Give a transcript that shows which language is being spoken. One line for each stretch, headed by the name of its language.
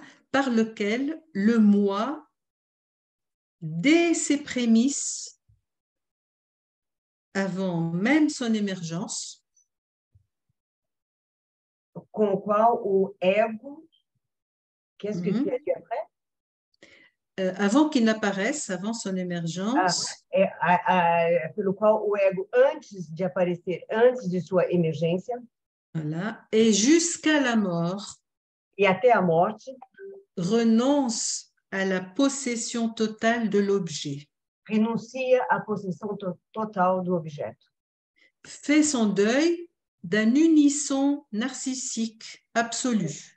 French: Par lequel le moi, dès ses prémices, avant même son émergence,
Portuguese: com o qual o ego,
French: qu'est-ce que tu as dit après? Avant qu'il n'apparaisse, avant son émergence.
Portuguese: Pelo qual o ego, antes de aparecer, antes de sua emergência.
French: Voilà. Et jusqu'à la mort.
Portuguese: E até a morte.
French: Renonce à la possession totale de l'objet.
Portuguese: Renuncia à possession total do objeto.
French: Fait son deuil d'un unisson narcissique absolu.